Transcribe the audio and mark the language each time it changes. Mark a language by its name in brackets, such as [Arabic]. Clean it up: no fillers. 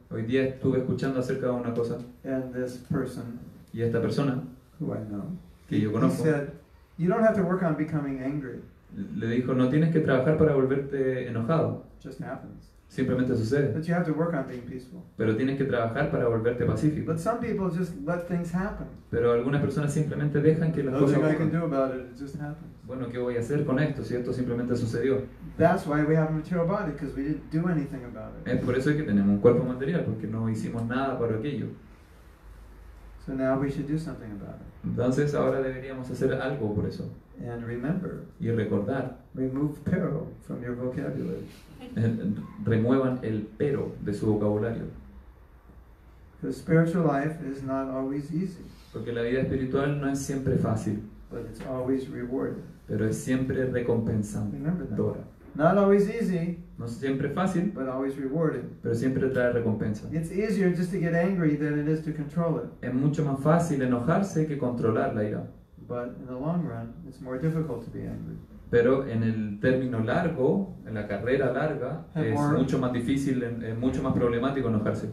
[Spanish] Hoy día estuve escuchando acerca de una cosa. [English] And this person. [Spanish] Y esta persona. [English] Who I know. [Spanish] Que yo conozco. [English] He said, "You don't have to work on becoming angry." [Spanish] Le dijo, no tienes que trabajar para volverte enojado. [English] Just happens. [Spanish] Simplemente sucede. [English] But you have to work on being peaceful. [Spanish] Pero tienes que trabajar para volverte pacífico. [English] But some people just let things happen. [Spanish] Pero algunas personas simplemente dejan que las [English] Nothing [Spanish] cosas ocurran. [English] I can do about it. It just happens. [Spanish] Bueno, ¿qué voy a hacer con esto si esto simplemente sucedió? [English] That's why we have a material body, because we didn't do anything about it. [Spanish] Es por eso que tenemos un cuerpo material, porque no hicimos nada para aquello. [English] So now we should do something about it. [Spanish] Entonces ahora deberíamos hacer algo por eso. [English] And remember, [Spanish] y recordar, [English] remove pero from your vocabulary. [Spanish] Remuevan el pero de su vocabulario. [English] The spiritual life is not always easy. [Spanish] Porque la vida espiritual no es siempre fácil. [English] But it's always rewarding. [Spanish] Pero es siempre recompensadora. [English] Remember that. Not always easy. [Spanish] No siempre fácil. [English] But always rewarding. [Spanish] Pero siempre trae recompensa. [English] It's easier just to get angry than it is to control it. [Spanish] Es mucho más fácil enojarse que controlar la ira. [English] But in the long run, it's more difficult to be angry. [Spanish] Pero en el término largo, en la carrera larga, [English] and [Spanish] es [English] more, [Spanish] mucho más difícil, es mucho más problemático enojarse.